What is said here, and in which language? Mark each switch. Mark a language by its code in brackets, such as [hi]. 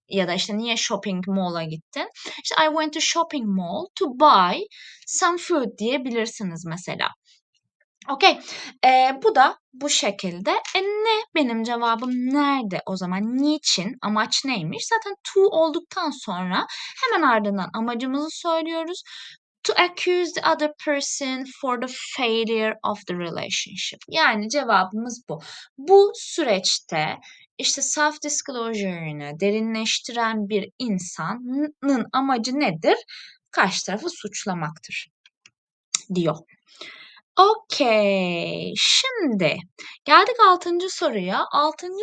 [tr] Ya da işte niye shopping mall'a gittin? İşte [en] I went to shopping mall to buy some food [tr] diyebilirsiniz mesela. Okay. Bu da bu şekilde. Ne? Benim cevabım nerede o zaman? Niçin? Amaç neymiş? Zaten to olduktan sonra hemen ardından amacımızı söylüyoruz. [en] To accuse the other person for the failure of the relationship. [tr] Yani cevabımız bu. Bu süreçte işte self-disclosure'ını derinleştiren bir insanın amacı nedir? Karşı tarafı suçlamaktır diyor. Okey. Şimdi geldik 6. soruya. 6.